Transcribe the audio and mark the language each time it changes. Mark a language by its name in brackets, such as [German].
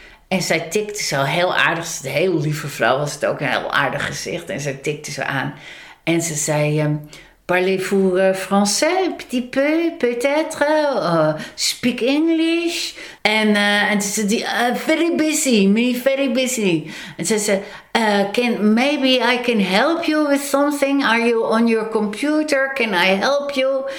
[Dutch] En zij tikte zo heel aardig. Een heel lieve vrouw was het ook, een heel aardig gezicht. En zij tikte zo aan. En ze zei, [French] parlez-vous français, un petit peu, peut-être, [English] speak English. [Dutch] En ze zei, [English] very busy, me very busy. [Dutch] En ze zei, [English] maybe I can help you with something, are you on your computer, can I help you?